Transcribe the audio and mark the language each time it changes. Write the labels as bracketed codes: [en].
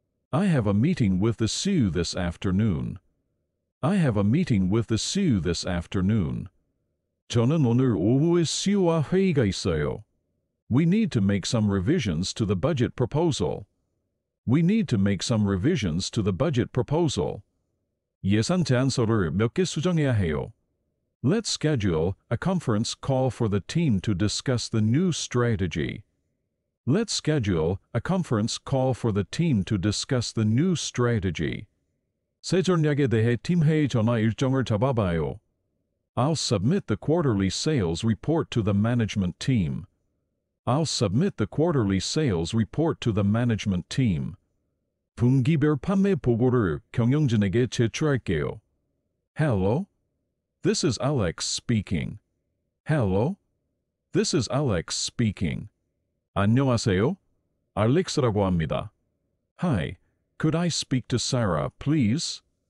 [en] I have a meeting with the CEO this afternoon. I have a meeting with the CEO this afternoon. [ko] 저는 오늘 오후에 CEO와 회의가 있어요. [en] We need to make some revisions to the budget proposal. We need to make some revisions to the budget proposal. [ko] 예산 제안서를 몇 개 수정해야 해요. [en] Let's schedule a conference call for the team to discuss the new strategy. Let's schedule a conference call for the team to discuss the new strategy. [ko] 새 전략에 대해 팀 회의 전화 일정을 잡아봐요. [en] I'll submit the quarterly sales report to the management team. I'll submit the quarterly sales report to the management team. [ko] 분기별 판매 보고를 경영진에게 제출할게요. [en] Hello? This is Alex speaking. Hello? This is Alex speaking. [ko] 안녕하세요. 알렉스라고 합니다. [en] Hi, could I speak to Sarah, please?